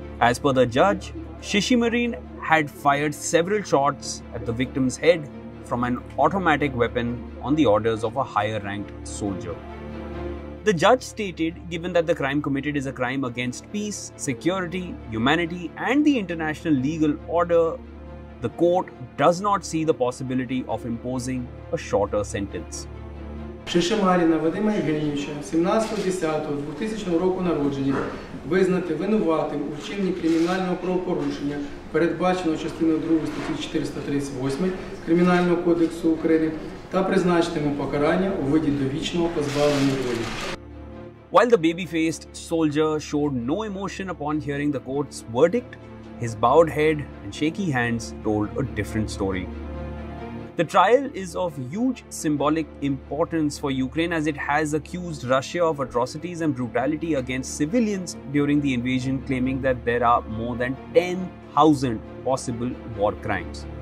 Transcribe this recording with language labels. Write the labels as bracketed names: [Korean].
[English] As per the judge, Shishimarin had fired several shots at the victim's head from an automatic weapon on the orders of a higher-ranked soldier. The judge stated, given that the crime committed is a crime against peace, security, humanity, and the international legal order, the court does not see the possibility of imposing a shorter sentence. [Ukrainian] Шишимаріна Вадима Євгенійовича, 17.10.2000 року народження, визнати винуватим у вчиненні кримінального правопорушення, передбаченого частиною 2 статті 438 Кримінального кодексу України, та призначити йому покарання у виді довічного позбавлення волі. [English] While the baby-faced soldier showed no emotion upon hearing the court's verdict, his bowed head and shaky hands told a different story. The trial is of huge symbolic importance for Ukraine as it has accused Russia of atrocities and brutality against civilians during the invasion, claiming that there are more than 10,000 possible war crimes.